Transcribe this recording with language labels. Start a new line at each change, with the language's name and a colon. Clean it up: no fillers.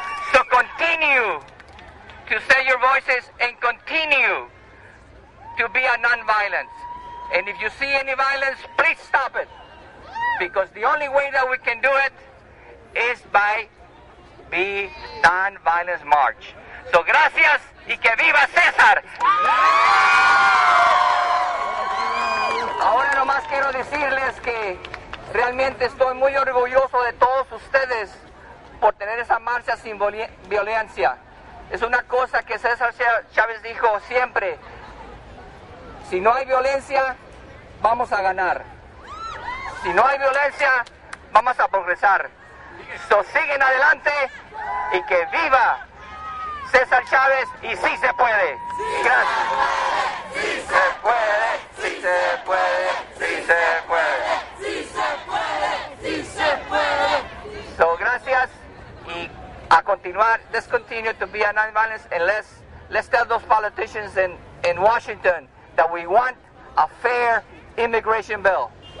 English: So continue to set your voices and continue to be a nonviolent. And if you see any violence, please stop it. Because the only way that we can do it is by be nonviolent march.
Spanish: So gracias y que viva César. Ahora nomás quiero decirles que realmente estoy muy orgulloso de todos ustedes por tener esa marcha sin violencia. Es una cosa que César Chávez dijo siempre. Si no hay violencia, vamos a ganar. Si no hay violencia, vamos a progresar. So, siguen adelante y que viva César Chávez y sí se puede. Gracias. Sí se puede, sí se puede, sí se puede.
English: So,
Spanish: gracias, y a continuar,
English: let's continue to be a nonviolence, and let's tell those politicians in Washington that we want a fair immigration bill.